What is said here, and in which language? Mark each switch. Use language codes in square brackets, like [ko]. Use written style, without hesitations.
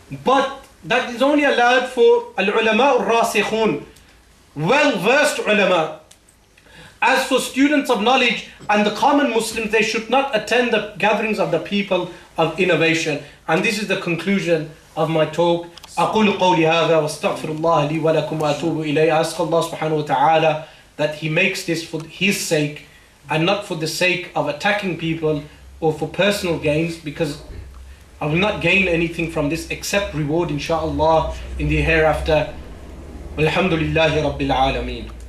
[en] But that is only allowed for al-ulama al-rasikhun, well-versed ulama. As for students of knowledge and the common Muslims, they should not attend the gatherings of the people of innovation. And this is the conclusion of my talk. [ar] أقول قولي هذا واستغفر الله لي ولكم وأتوب إليه. أسأل الله سبحانه وتعالى [en] that he makes this for his sake and not for the sake of attacking people or for personal gains, because I will not gain anything from this except reward inshallah in the hereafter. [ar] والحمد لله رب العالمين.